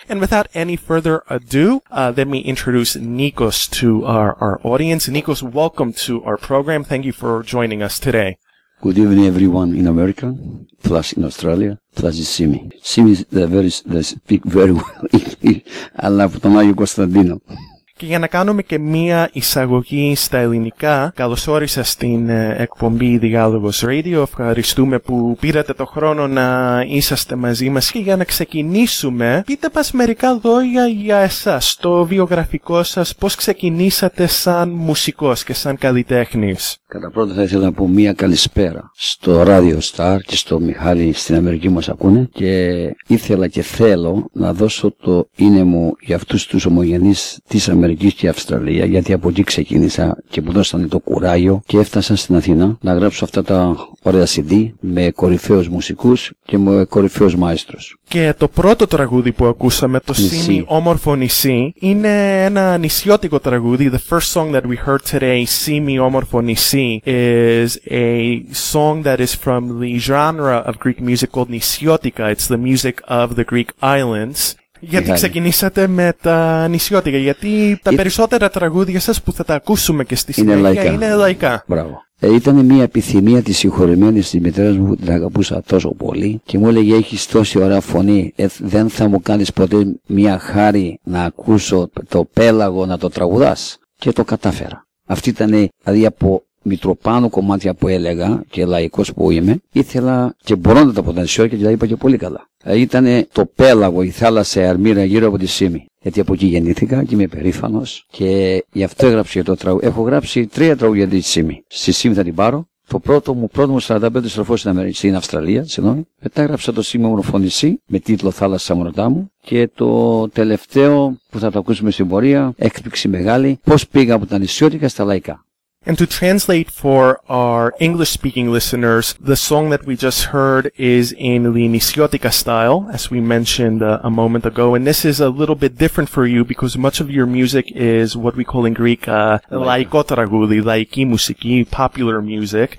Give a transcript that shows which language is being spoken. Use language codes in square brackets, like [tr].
[en] And without any further ado, let me introduce Nikos to our audience. Nikos, welcome to our program. Thank you for joining us today. Good evening, everyone in America, plus in Australia, plus in Simi. Simi, they speak very well English, [el] αλλά από τον Άγιο Κωνσταντίνο. Και για να κάνουμε και μία εισαγωγή στα ελληνικά, καλωσόρισα στην εκπομπή Dialogos Radio. Ευχαριστούμε που πήρατε το χρόνο να είσαστε μαζί μας. Και για να ξεκινήσουμε, πείτε μας μερικά λόγια για εσάς, το βιογραφικό σας, πώς ξεκινήσατε σαν μουσικός και σαν καλλιτέχνης. Κατά πρώτα θα ήθελα να πω μία καλησπέρα στο Radio Star και στο Μιχάλη στην Αμερική μας ακούνε. Και ήθελα και θέλω να δώσω το είναι μου για αυτούς τους ομογενείς της Αμερικής. Αμερική και Αυστραλία, γιατί από εκεί ξεκίνησα και μου δώσανε το κουράγιο και έφτασα στην Αθήνα να γράψω αυτά τα ωραία CD με κορυφαίους μουσικούς και με κορυφαίους μαέστρους. Και το πρώτο τραγούδι που ακούσαμε, το Σίμι, όμορφο νησί, είναι ένα νησιώτικο τραγούδι. [en] The first song that we heard today, Σίμι, όμορφο νησί, is a song that is from the genre of Greek music called νησιώτικα. It's the music of the Greek islands. [el] Γιατί ξεκινήσατε με τα νησιώτικα, γιατί τα περισσότερα τραγούδια σας που θα τα ακούσουμε και στη συνέχεια είναι λαϊκά. Μπράβο. Ήταν μια επιθυμία της συγχωρημένης της μητέρας μου που την αγαπούσα τόσο πολύ και μου έλεγε έχεις τόση ωραία φωνή, δεν θα μου κάνεις ποτέ μια χάρη να ακούσω το πέλαγο να το τραγουδάς. Και το κατάφερα. Αυτή ήταν, δηλαδή από μητροπάνω κομμάτια που έλεγα και λαϊκός που είμαι, ήθελα και μπορώ να τα πω τα νησιώτικα και τα είπα και πολύ καλά. Ήταν το πέλαγο, η θάλασσα, η αρμύρα γύρω από τη Σίμη. Γιατί από εκεί γεννήθηκα και είμαι περήφανος και γι' αυτό έγραψε το τραγούδι. Έχω γράψει 3 τραγούδια για τη Σίμη. Στη Σίμη θα την πάρω. Το πρώτο μου 45 στροφό στην Αυστραλία, συγγνώμη. Μετά έγραψα το Σίμη ομορφονησί με τίτλο Θάλασσα Μωρατά μου. Και το τελευταίο που θα το ακούσουμε στην πορεία, έκπληξη μεγάλη, πώς πήγα από τα νησιώτικα στα λαϊκά. [en] And to translate for our English-speaking listeners, the song that we just heard is in the Nisiotika style, as we mentioned a moment ago, and this is a little bit different for you because much of your music is what we call in Greek laikotragudi, laiki musiki, popular music.